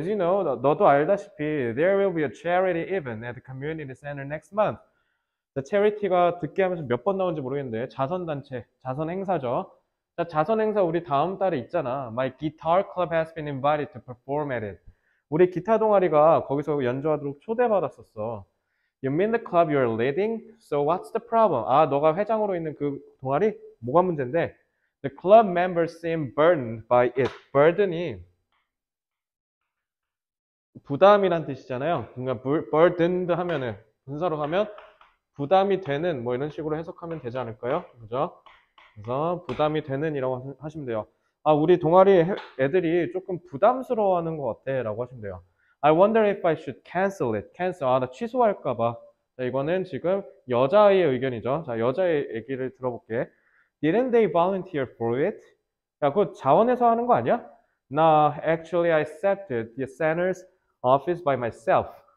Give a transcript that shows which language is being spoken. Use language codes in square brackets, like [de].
[en] As you know, [ko] 너도 알다시피 [en] there will be a charity event at the community center next month. [ko] 체리티가 듣게 하면서 몇번 나온지 모르겠는데 자선단체, 자선행사죠. 자, 자선행사 우리 다음 달에 있잖아. [en] My guitar club has been invited to perform at it. [ko] 우리 기타 동아리가 거기서 연주하도록 초대받았었어. [en] You mean the club you're leading? So what's the problem? [ko] 아, 너가 회장으로 있는 그 동아리? 뭐가 문제인데? [en] The club members seem burdened by it. [ko] Burden이 부담이란 뜻이잖아요. 그러니까 burdened 하면은 분사로 하면 부담이 되는 뭐 이런 식으로 해석하면 되지 않을까요? 그죠? 그래서 부담이 되는 이라고 하시면 돼요. 아, 우리 동아리 애들이 조금 부담스러워하는 것 같아라고 하시면 돼요. [en] I wonder if I should cancel it. Cancel. [ko] 아, 나 취소할까 봐. 자, 이거는 지금 여자아이의 의견이죠. 자, 여자의 얘기를 들어볼게. [en] Didn't they volunteer for it? [ko] 야, 그거 자원해서 하는 거 아니야? [en] No, actually I accepted the center's office by myself.